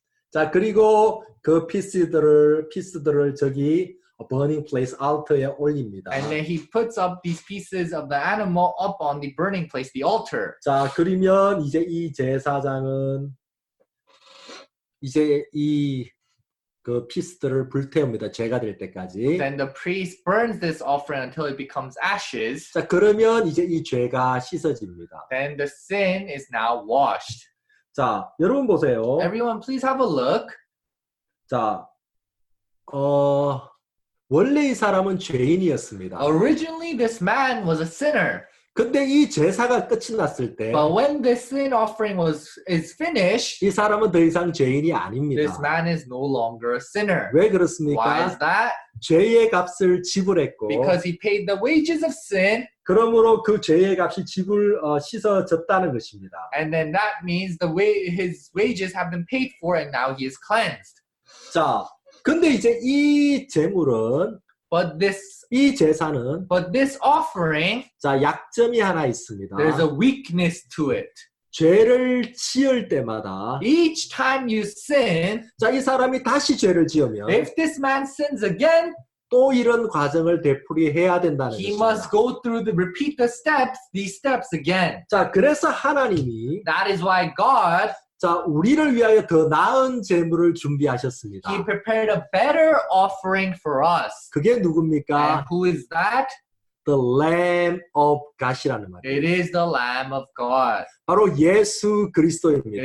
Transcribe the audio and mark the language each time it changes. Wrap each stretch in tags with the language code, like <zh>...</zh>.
<ko>자, 그리고 그 피스들을 저기</ko> <en>a burning place</en> <ko>알터에 올립니다.</ko> <en>And then he puts up these pieces of the animal up on the burning place, the altar.</en> <ko>자, 그러면 이제 이 제사장은 이제 이 그 피스들을 불태웁니다. 제가 될 때까지.</ko> <en>Then the priest burns this offering until it becomes ashes.</en> <ko>자, 그러면 이제 이 죄가 씻어집니다.</ko> <en>Then the sin is now washed.</en> <ko>자, 여러분 보세요.</ko> <en>Everyone please have a look.</en> <ko>자, 원래 이 사람은 죄인이었습니다.</ko> <en>Originally this man was a sinner.</en> <ko>근데 이 제사가 끝이 났을 때</ko> <en>But when the sin offering was is finished</en> <ko>이 사람은 더 이상 죄인이 아닙니다.</ko> <en>This man is no longer a sinner.</en> <ko>왜 그렇습니까?</ko> <en>Why is that?</en> <ko>죄의 값을 지불했고</ko> <en>Because he paid the wages of sin.</en> <ko>그러므로 그 죄의 값이 지불 씻어졌다는 것입니다.</ko> <en>And then that means the way his wages have been paid for and now he is cleansed.</en> <ko>자, 근데 이제 이 제물은</ko> <en>But this</en> <ko>이 제사는</ko> <en>But this offering</en> <ko>자, 약점이 하나 있습니다.</ko> <en>There's a weakness to it.</en> <ko>죄를 지을 때마다</ko> <en>Each time you sin</en> <ko>자, 이 사람이 다시 죄를 지으면</ko> <en>If this man sins again</en> <ko>또 이런 과정을 되풀이해야 된다는</ko> <en>He</en> <ko>것입니다.</ko> <en>must go through the repeat the steps these steps again.</en> <ko>자, 그래서 하나님이</ko> <en>That is why God</en> <ko>자, 우리를 위하여 더 나은 제물을 준비하셨습니다.</ko> <en>He prepared a better offering for us.</en> <ko>그게 누굽니까?</ko> <en>And who is that? The Lamb of God이라는 말이에요. It is the Lamb of God.</en> <ko>바로 예수 그리스도입니다.</ko>